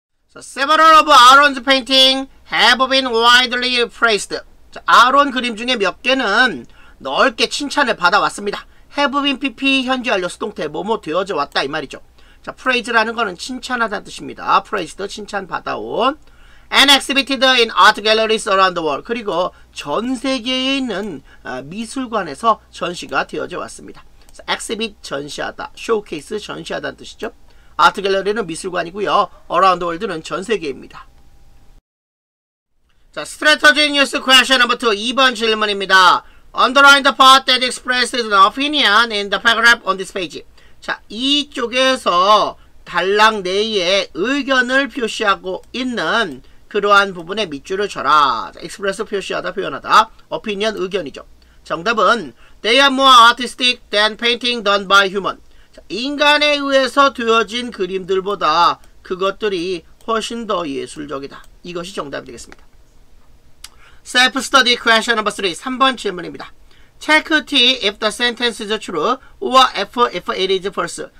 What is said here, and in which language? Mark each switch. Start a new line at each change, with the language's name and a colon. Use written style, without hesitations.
English: So, several of Aaron's painting have been widely praised.
Korean: 자, 아론 그림 중에 몇 개는 넓게 칭찬을 받아왔습니다.
English: have been
Korean: pp 현재 완료 수동태 뭐뭐 되어져 왔다 이 말이죠. 자, praise라는 거는 칭찬하다 뜻입니다. praised 칭찬 받아온.
English: and exhibited in art galleries around the world.
Korean: 그리고 전 세계에 있는 미술관에서 전시가 되어져 왔습니다. So, exhibit 전시하다, showcase 전시하다는 뜻이죠.
English: art gallery는
Korean: 미술관이고요.
English: around the world는
Korean: 전 세계입니다.
English: 자, strategy news question number 2
Korean: 2번 질문입니다.
English: Underline the part that expresses an opinion in the paragraph on this page.
Korean: 자, 이쪽에서 단락 내에 의견을 표시하고 있는 그러한 부분에 밑줄을 쳐라. 자, express 표시하다, 표현하다. opinion, 의견이죠. 정답은
English: They are more artistic than painting done by human.
Korean: 자, 인간에 의해서 되어진 그림들보다 그것들이 훨씬 더 예술적이다. 이것이 정답이 되겠습니다.
English: Self-study question number 3,
Korean: 3번 질문입니다.
English: Check T if the sentence is true or F if it is false.